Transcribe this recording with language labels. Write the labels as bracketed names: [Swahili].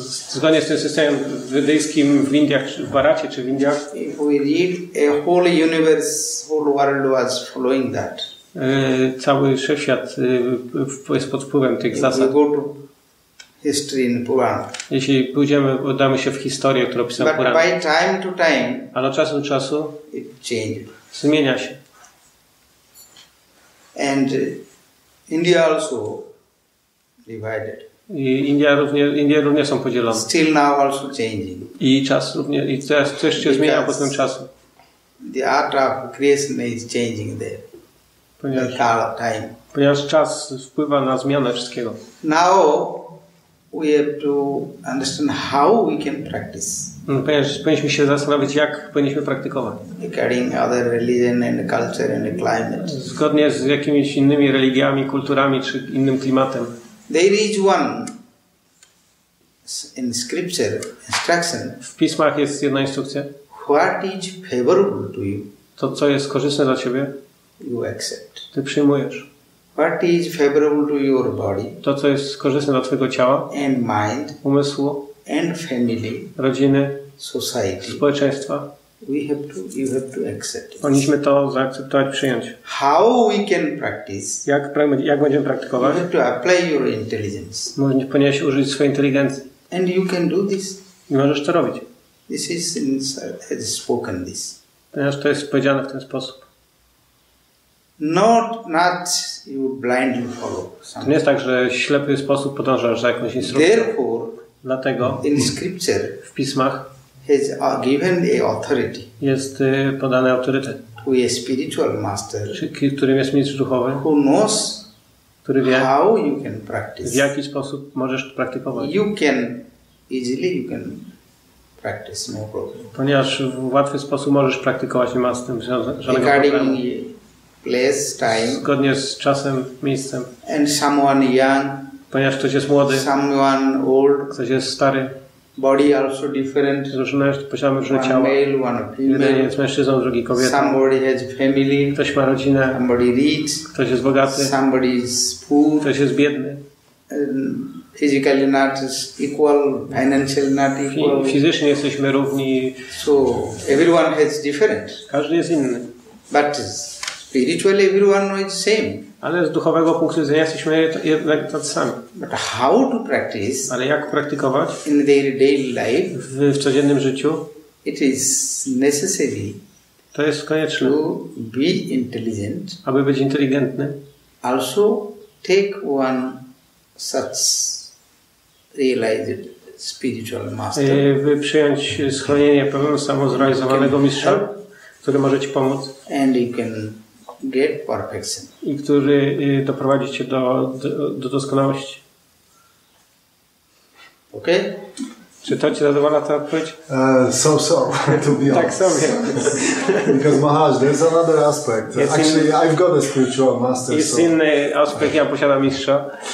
[Polish] Zgodnie z tym systemem wedyjskim w Indiach, w Bharacie czy w Indiach. [English] If we read a whole universe, whole world was following that. [Polish] Cały wszechświat jest pod wpływem tych zasad. [English] History in Purana. [Polish] Jeśli pójdziemy, udamy się w historię, którą pisał Puran. [English] But by time to time, [Polish] ale od czasu do czasu [English] it changes. [Polish] Zmienia się. [English] And India also divided. [Polish] I Indie również są podzielone. [English] Still now also changing. [Polish] I czas również, i coś się zmienia po tym czasie. [English] The art of creation is changing there. [Polish] ponieważ czas wpływa na zmianę wszystkiego. [English] Now we have to understand how we can practice. [Polish] No, powinniśmy się zastanowić, jak powinniśmy praktykować. [English] According other religion and culture and climate. [Polish] Zgodnie z jakimiś innymi religiami, kulturami czy innym klimatem. [English] There is one in scripture instruction. [Polish] W pismach jest jedna instrukcja. [English] What is favorable to you? [Polish] To, co jest korzystne dla ciebie? [English] You accept. [Polish] Ty przyjmujesz. [English] What is favorable to your body? [Polish] To, co jest korzystne dla twojego ciała? [English] And mind. [Polish] Umysłu. [English] And family. [Polish] Rodziny. [English] Society. [Polish] Społeczeństwa. [English] You have to accept. [Polish] Powinniśmy to zaakceptować, przyjąć. [English] How we can practice? [Polish] Jak będziemy praktykować? [English] You have to apply your intelligence. [Polish] Powinieneś użyć swojej inteligencji. [English] And you can do this. [Polish] I możesz to robić. [English] This is inside, has spoken this. [Polish] Ponieważ to jest powiedziane w ten sposób. [English] Not you blindly follow. [Polish] To nie jest tak, że w ślepy sposób podążasz za jakąś instrukcją. [English] Therefore, [Polish] dlatego [English] in scripture, [Polish] w pismach [English] has given the authority [Polish] jest podany autorytet. [English] To a spiritual master, [Polish] którym jest mistrz duchowy, [English] who knows, [Polish] który wie, [English] how you can practice. [Polish] W jaki sposób możesz praktykować. [English] You can easily you can practice, no problem. [Polish] Ponieważ w łatwy sposób możesz praktykować, nie ma z tym żadnego [English] regarding [Polish] problemu. [English] Place, time, [Polish] zgodnie z czasem, miejscem. [English] And someone young, [Polish] ponieważ ktoś jest młody, [English] someone old, [Polish] ktoś jest stary, [English] body also different, [Polish] posiadamy różne ciała, [English] male, one female, [Polish] jeden jest mężczyzną, drugi kobietą, [English] somebody has family, [Polish] ktoś ma rodzinę, [English] somebody rich, [Polish] ktoś jest bogaty, [English] somebody is poor, [Polish] ktoś jest biedny, [English] physically not equal, financially not equal. [Polish] Fizycznie jesteśmy równi, [English] so everyone has different, [Polish] każdy jest inny, [English] but spiritually everyone is same. [Polish] Ale z duchowego punktu widzenia jesteśmy jednak tacy sami. [English] But how to practice? [Polish] Ale jak praktykować? [English] In their daily life. [Polish] W codziennym życiu. [English] It is necessary. [Polish] To jest konieczne. [English] To be intelligent. [Polish] Aby być inteligentny. [English] Also take one such realized spiritual master. [Polish] Przyjąć schronienie pewnego samozrealizowanego mistrza, który może ci pomóc. [English] And you can get perfection. [Polish] I który doprowadzi cię do doskonałości. [English] Okay. [Polish] Czy to ci zadowala ta odpowiedź? [English] So, to be honest. [Polish] Tak sobie. [English] Because Maharaj, there's another aspect. It's actually, I've got a spiritual master. [Polish] Jest inny aspekt, ja posiadam mistrza.